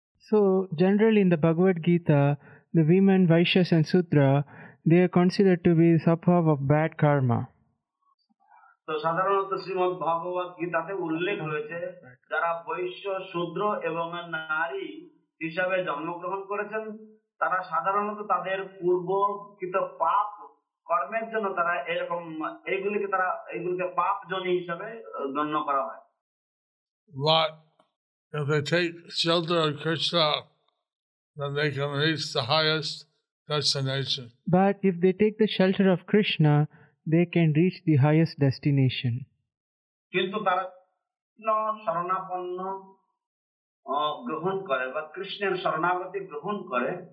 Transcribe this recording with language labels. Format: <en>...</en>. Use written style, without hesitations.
<en>So, generally in the Bhagavad Gita, the women, Vaisyas and Sudra, they are considered to be sabhav of bad karma.</en> <bn>So, sadharanata Srimad Bhagavad Gita te ullekh hoyeche, jara Vaisya, Sudra, evam nari, hishabe janmogrohon korechen, তারা সাধারণত তাদের পূর্বকৃত পাপ কর্মের জন্য তারা এরকম এইগুলিকে তারা এইগুলিকে পাপ জনি হিসেবে গণ্য করা হয়</bn> <en>But if they take shelter of Krishna, then they can reach the highest destination. But if they take the shelter of Krishna, they can reach the highest destination.</en> <bn>কিন্তু তারা কৃষ্ণ শরণাপন্ন গ্রহণ করে বা কৃষ্ণের শরণাগতি গ্রহণ করে</bn>